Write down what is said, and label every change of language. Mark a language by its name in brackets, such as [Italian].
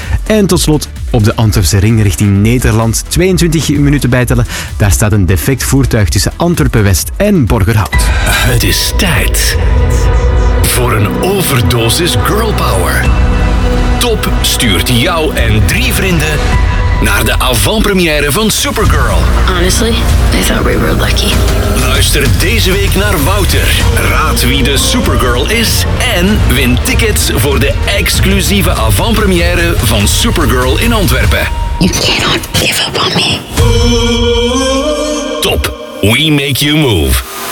[Dutch] En tot slot op de Antwerpse ring richting Nederland 22 minuten bijtellen. Daar staat een defect voertuig tussen Antwerpen-West en Borgerhout. Het is tijd... voor een overdosis girl power. Top stuurt jou en drie vrienden naar de avant-première van Supergirl. [English] Honestly, I thought we were lucky. [Dutch] Luister deze week naar Wouter. Raad wie de Supergirl is en win tickets voor de exclusieve avant-première van Supergirl in Antwerpen. [English] You cannot give up on me. Top, we make you move.